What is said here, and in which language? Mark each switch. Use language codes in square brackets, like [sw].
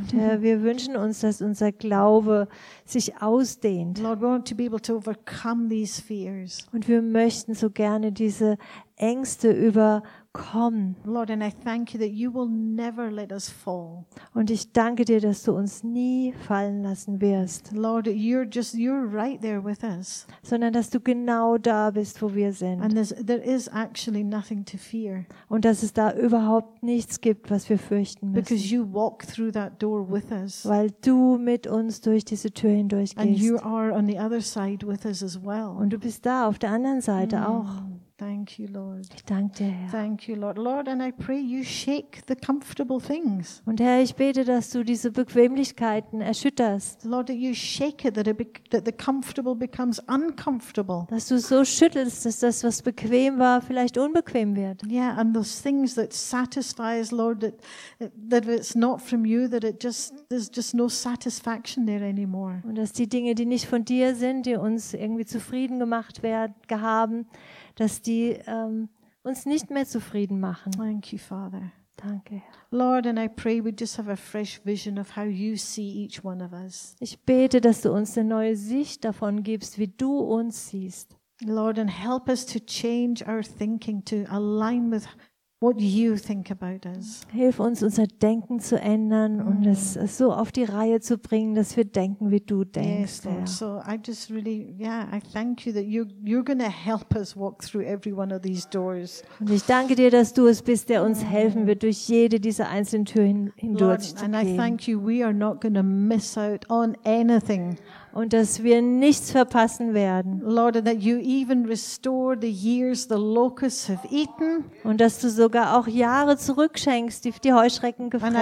[de] Herr, wir wünschen uns, dass unser Glaube sich ausdehnt. [en] Lord, we want to be able to overcome these fears. [de] Und wir möchten so gerne diese Ängste überkommen. [en] Lord, and I thank you that you will never let us fall. [de] Und ich danke dir, dass du uns nie fallen lassen wirst. [en] Lord, you're right there with us. [de] Sondern dass du genau da bist, wo wir sind. [en] And there is actually nothing to fear. [de] Und dass es da überhaupt nichts gibt, was wir fürchten müssen. [en] Because you walk through that door with us. [de] Weil du mit uns durch diese Tür hindurchgehst. [en] And you are on the other side with us as well. [de] Und du bist da auf der anderen Seite auch. [en] Thank you, Lord. [de] Ich danke dir, Herr. [en] Thank you, Lord. Lord, and I pray you shake the comfortable things. [de] Und Herr, ich bete, dass du diese Bequemlichkeiten erschütterst. [en] Lord, that you shake it, that the comfortable becomes uncomfortable. [de] Dass du so schüttelst, dass das, was bequem war, vielleicht unbequem wird. [en] Yeah, and those things that satisfies, Lord, that it's not from you, that it just there's just no satisfaction there anymore. [de] Und dass die Dinge, die nicht von dir sind, die uns irgendwie zufrieden gemacht werden, dass die uns nicht mehr zufrieden machen. [en] Thank you, Father. [de] Danke. [en] Lord, and I pray we just have a fresh vision of how you see each one of us. [de] Ich bete, dass du uns eine neue Sicht davon gibst, wie du uns siehst. [en] Lord, and help us to change our thinking to align with what you think about us. [de] Hilf uns, unser Denken zu ändern und es so auf die Reihe zu bringen, dass wir denken, wie du denkst. [en] Yes, Lord. So I just really, yeah, I thank you that you're going to help us walk through every one of these doors. [de] Und ich danke dir, dass du es bist, der uns helfen wird, durch jede dieser einzelnen Türen hindurchzugehen. [en] Lord, and I thank you, we are not going to miss out on anything. [de] Und dass wir nichts verpassen werden. [en] Lord, and that you even restore the years the locusts have eaten. [de] Und dass du sogar auch Jahre zurückschenkst, die die Heuschrecken gefressen haben.